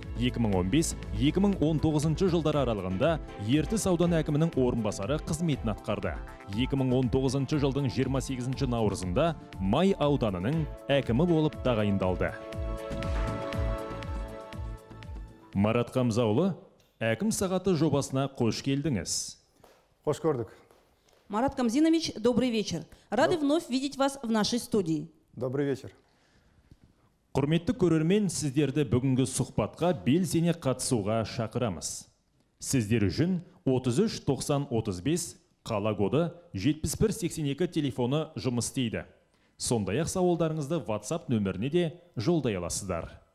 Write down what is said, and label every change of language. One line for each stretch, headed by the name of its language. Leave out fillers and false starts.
Kazakh: 2015-2019 жылдар аралығында Ертіс ауданы әкімінің орынбасары қызметін атқарды. 2019 жылдың 28 наурызында Май ауданының әкімі болып тағайындалды. Марат Қамзаулы, әкім сағаты жобасына қош келдіңіз. Қош көрдік.
Russian: Марат Камзинович, добрый вечер. Рады вновь видеть вас в нашей студии. Добрый вечер.
Kazakh: Құрметті көрермен, сіздерді бүгінгі сұхбатқа белсене қатысуға шақырамыз. Сіздер үшін 33 90 35 қала коды 71 82 телефоны жұмыс істейді. Сондай-ақ сауалдарыңызды WhatsApp нөміріне де жолдай аласыздар.